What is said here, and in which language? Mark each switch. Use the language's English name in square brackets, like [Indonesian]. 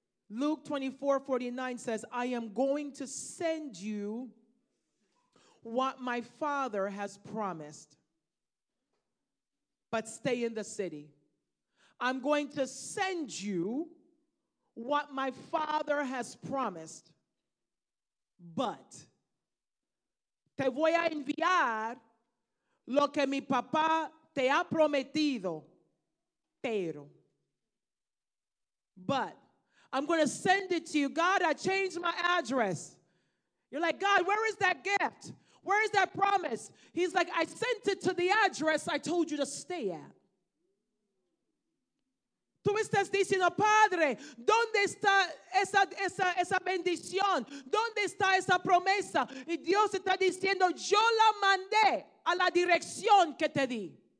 [English] Luke 24:49 says, I am going to send you what my father has promised, but stay in the city. I'm going to send you what my father has promised, but [Spanish] te voy a enviar lo que mi papá te ha prometido, pero. [English] But I'm going to send it to you. God, I changed my address. You're like, God, where is that gift? Where is that promise? He's like, I sent it to the address I told you to stay at. [Spanish] Tú estás diciendo, Padre, ¿dónde está esa bendición? ¿Dónde está esa promesa? Y Dios está diciendo, yo la mandé a la dirección que te di.